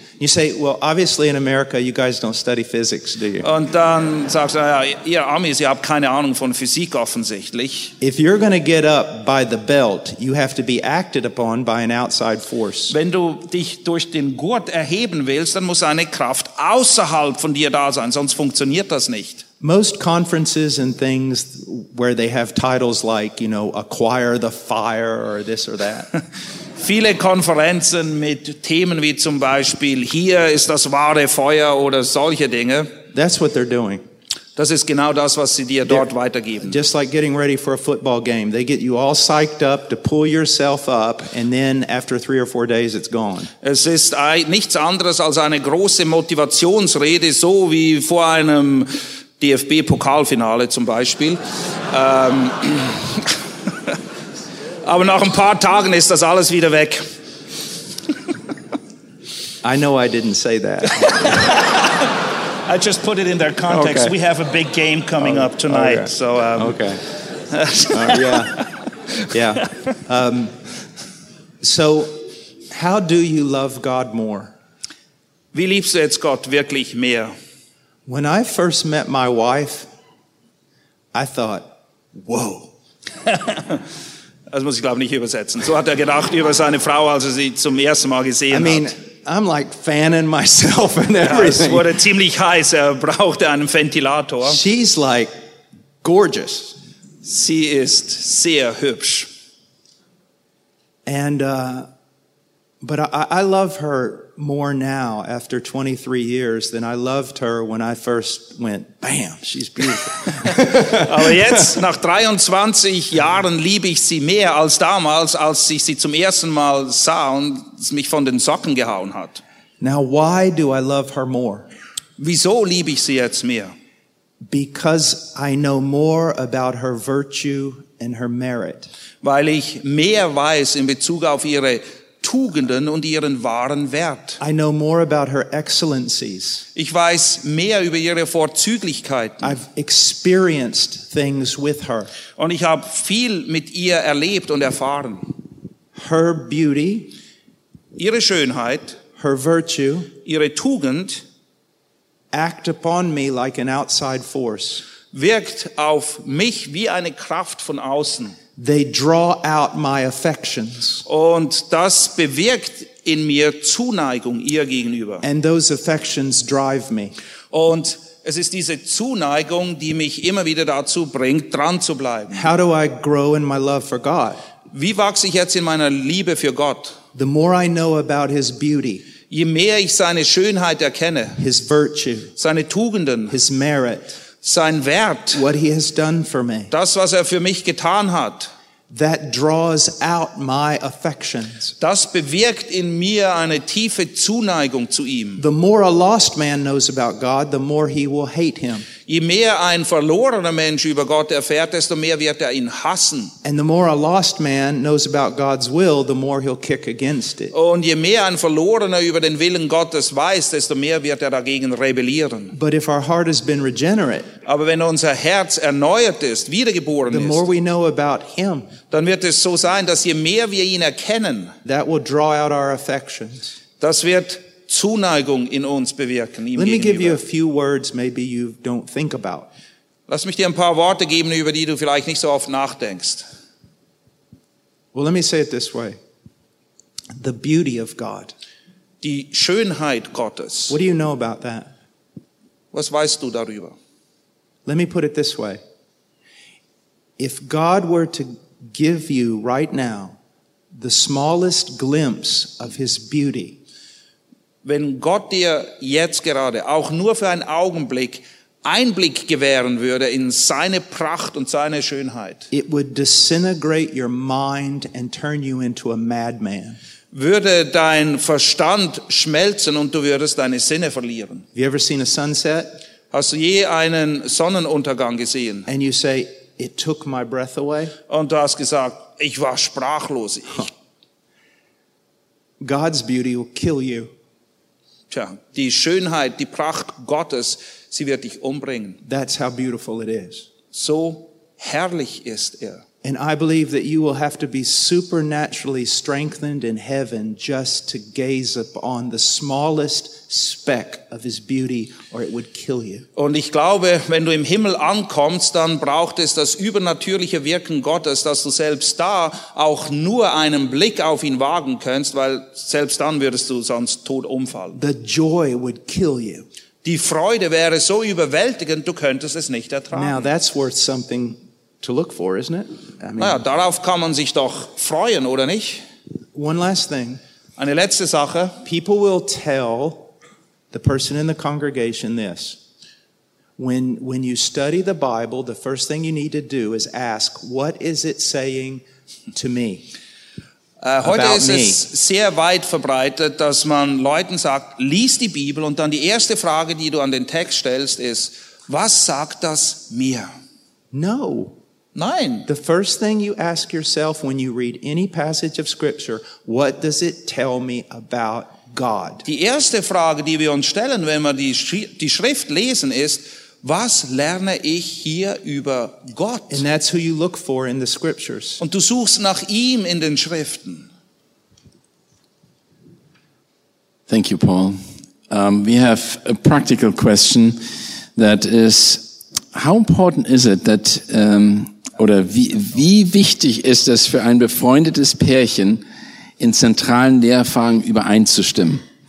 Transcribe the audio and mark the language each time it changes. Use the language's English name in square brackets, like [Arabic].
[English] You say, well, obviously in America, you guys don't study physics, do you? [German] Und dann sagst du, naja, ihr Amis, ihr habt keine Ahnung von Physik offensichtlich. [English] If you're going to get up by the belt, you have to be acted upon by an outside force. [German] Wenn du dich durch den Gurt erheben willst, dann muss eine Kraft außerhalb von dir da sein, sonst funktioniert das nicht. [English] Most conferences and things where they have titles like, you know, acquire the fire or this or that. [German] Viele Konferenzen mit Themen wie zum Beispiel hier ist das wahre Feuer oder solche Dinge. [English] That's what they're doing. [German] Das ist genau das, was sie dir dort weitergeben. [English] Just like getting ready for a football game. They get you all psyched up to pull yourself up and then after 3 or 4 days it's gone. [German] Es ist nichts anderes als eine große Motivationsrede, so wie vor einem DFB-Pokalfinale zum Beispiel. Aber nach ein paar Tagen ist das alles wieder weg. [English] I know I didn't say that. I just put it in their context. Okay. We have a big game coming up tonight. Okay. So, okay. Yeah. Yeah. So, how do you love God more? [German] Wie liebst du jetzt Gott wirklich mehr? [English] When I first met my wife, I thought, whoa. [German] Das muss ich glaube nicht übersetzen. So hat er gedacht über seine Frau, als er sie zum ersten Mal gesehen hat. [English] I mean, I'm like fanning myself and everything. [German] Ja, es wurde ziemlich heiß. Er brauchte einen Ventilator. [English] She's like gorgeous. [German] Sie ist sehr hübsch. [English] And but I love her more now after 23 years than I loved her when I first went, bam, she's beautiful. [German] Aber jetzt, nach 23 Jahren, liebe ich sie mehr als damals, als ich sie zum ersten Mal sah und es mich von den Socken gehauen hat. [English] Now, why do I love her more? [German] Wieso liebe ich sie jetzt mehr? [English] Because I know more about her virtue and her merit. [German] Weil ich mehr weiß in Bezug auf ihre Tugenden und ihren wahren Wert. [English] I know more about her excellencies. [German] Ich weiß mehr über ihre Vorzüglichkeiten. [English] I've experienced things with her. [German] Und ich habe viel mit ihr erlebt und erfahren. [English] Her beauty, [German] ihre Schönheit, [English] her virtue, [German] ihre Tugend, [English] act upon me like an outside force. [German] Wirkt auf mich wie eine Kraft von außen. [English] They draw out my affections. [German] Und das bewirkt in mir Zuneigung ihr gegenüber. [English] And those affections drive me. [German] Und es ist diese Zuneigung, die mich immer wieder dazu bringt, dran zu bleiben. [English] How do I grow in my love for God? [German] Wie wachse ich jetzt in meiner Liebe für Gott? [English] The more I know about his beauty. [German] Je mehr ich seine Schönheit erkenne. [English] His virtue. [German] Seine Tugenden. [English] His merit. [German] Sein Wert, [English] what he has done for me, [German] das, was er für mich getan hat, [English] that draws out my affections. [German] Das bewirkt in mir eine tiefe Zuneigung zu ihm. [English] The more a lost man knows about God, the more he will hate him. [German] Je mehr ein verlorener Mensch über Gott erfährt, desto mehr wird er ihn hassen. [English] And the more a lost man knows about God's will, the more he'll kick against it. [German] Und je mehr ein verlorener über den Willen Gottes weiß, desto mehr wird er dagegen rebellieren. [English] But if our heart has been regenerate, [German] aber wenn unser Herz erneuert ist, wiedergeboren ist, [English] the more we know about him, [German] dann wird es so sein, dass je mehr wir ihn erkennen, [English] that will draw out our affections. [German] Das wird Zuneigung in uns bewirken. [English] Let me give you a few words maybe you don't think about. [German] Lass mich dir ein paar Worte geben, über die du vielleicht nicht so oft nachdenkst. [English] Well, let me say it this way. The beauty of God. [German] Die Schönheit Gottes. [English] What do you know about that? [German] Was weißt du darüber? [English] Let me put it this way. If God were to give you right now the smallest glimpse of his beauty, [German] wenn Gott dir jetzt gerade auch nur für einen Augenblick Einblick gewähren würde in seine Pracht und seine Schönheit, [English] it would disintegrate your mind and turn you into a madman. [German] Würde dein Verstand schmelzen und du würdest deine Sinne verlieren. [English] Have you ever seen a sunset? [German] Hast du je einen Sonnenuntergang gesehen? [English] And you say, it took my breath away? [German] Und du hast gesagt, ich war sprachlos. [English] God's beauty will kill you. [German] Tja, die Schönheit, die Pracht Gottes, sie wird dich umbringen. [English] That's how beautiful it is. [German] So herrlich ist er. [English] And I believe that you will have to be supernaturally strengthened in heaven just to gaze upon the smallest speck of his beauty, or it would kill you. [German] Und ich glaube, wenn du im Himmel ankommst, dann braucht es das übernatürliche Wirken Gottes, dass du selbst da auch nur einen Blick auf ihn wagen kannst, weil selbst dann würdest du sonst tot umfallen. [English] The joy would kill you. [German] Die Freude wäre so überwältigend, du könntest es nicht ertragen. [English] Now that's worth something to look for, isn't it? [German] Naja, darauf kann man sich doch freuen, oder nicht? [English] One last thing. [German] Eine letzte Sache. [English] People will tell the person in the congregation this. When you study the Bible, the first thing you need to do is ask, what is it saying to me? [German] Heute ist es sehr weit verbreitet, dass man Leuten sagt, lies die Bibel, und dann die erste Frage, die du an den Text stellst, ist, was sagt das mir? [English] No. [German] Nein. [English] The first thing you ask yourself when you read any passage of scripture, what does it tell me about God? [German] Die erste Frage, die wir uns stellen, wenn wir die Schrift lesen, ist, was lerne ich hier über Gott? [English] And that's who you look for in the scriptures. [German] Und du suchst nach ihm in den Schriften. [English] Thank you, Paul. We have a practical question that is, how important is it that [German] oder wie wichtig ist es für ein befreundetes Pärchen, in zentralen Lehrfragen übereinzustimmen?